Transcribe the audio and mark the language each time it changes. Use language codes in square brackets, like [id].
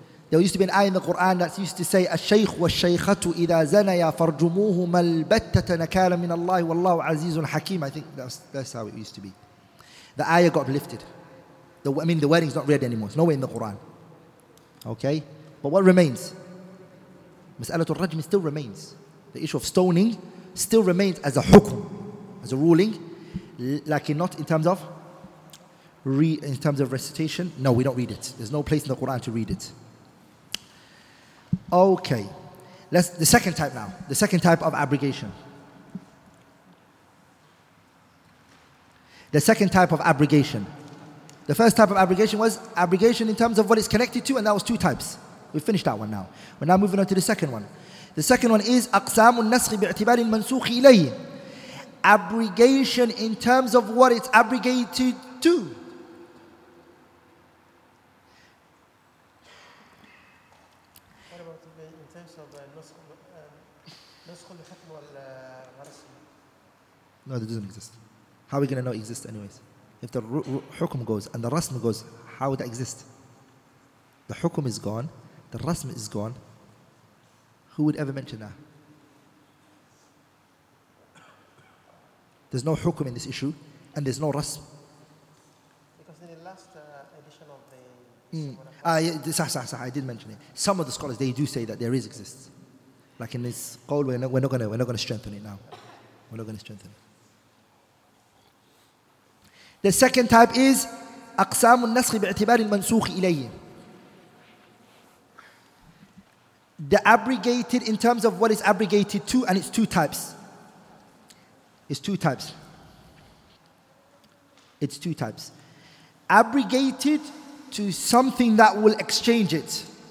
[en] There used to be an ayah in the Quran that used to say, [ar] "الشيخ والشيخة إذا زنيا فرجموه ملبتة نكالا من الله والله عزيز حكيم." [en] I think that's how it used to be. The ayah got lifted. The wording is not read anymore. It's nowhere in the Quran. Okay, but what remains? [ar] مسألة الرجم [en] still remains. The issue of stoning still remains as a hukum, as a ruling. Like not in terms of recitation. No, we don't read it. There's no place in the Quran to read it. Okay, the second type of abrogation. The second type of abrogation. The first type of abrogation was abrogation in terms of what it's connected to, and that was two types. We finished that one now. We're now moving on to the second one. The second one is [ar] أقسام النسخ باعتبار المنسوخ إليه. [en] Abrogation in terms of what it's abrogated to. No, it doesn't exist. How are we going to know it exists anyways? If the hukum goes and the rasm goes, how would that exist? The hukum is gone, the rasm is gone. Who would ever mention that? There's no hukum in this issue and there's no rasm. Because in the last edition of the... I did mention it. Some of the scholars, they do say that there is exists. Like in this qawl, we're not going to strengthen it now. We're not going to strengthen it. The second type is [ar] أقسام النسخ باعتبار المنسوخ إليه. [en] The abrogated in terms of what is abrogated to, and it's two types. It's two types. Abrogated to something that will exchange it.